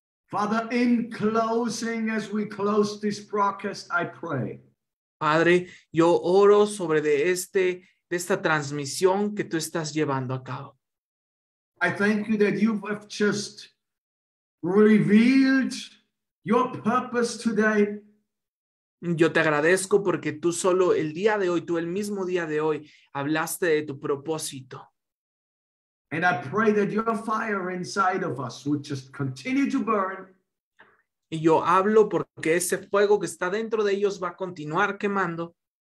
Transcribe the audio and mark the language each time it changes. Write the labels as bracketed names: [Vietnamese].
[English] Father, in closing, as we close this broadcast, I pray. [Spanish] Padre, yo oro sobre de esta transmisión que tú estás llevando a cabo. [English] I thank you that you have just revealed your purpose today. [Spanish] Yo te agradezco porque tú solo el día de hoy, tú el mismo día de hoy, hablaste de tu propósito. [English] And I pray that your fire inside of us would just continue to burn. [Spanish] Y yo hablo porque ese fuego que está dentro de ellos va a continuar quemando.